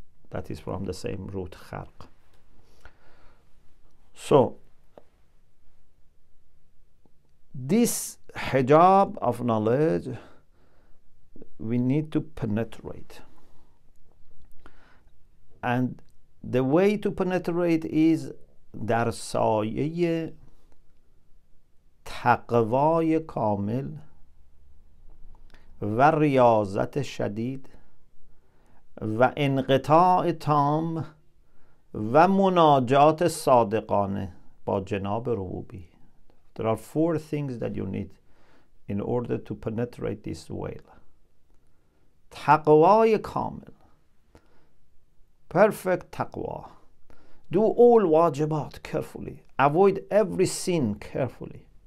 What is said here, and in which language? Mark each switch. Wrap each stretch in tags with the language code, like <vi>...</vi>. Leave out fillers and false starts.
<en>That is from the same root, خرق. So this hijab of knowledge, we need to penetrate. And the way to penetrate is</en> <fa>در سایه تقوای کامل و ریاضت شدید و انقطاع تام و مناجات صادقانه با جناب ربوبی.</fa> <en>There are four things that you need in order to penetrate this veil.</en> <fa>تقوای کامل.</fa> <en>Perfect taqwa. Do all wajibat carefully. Avoid every sin carefully.</en>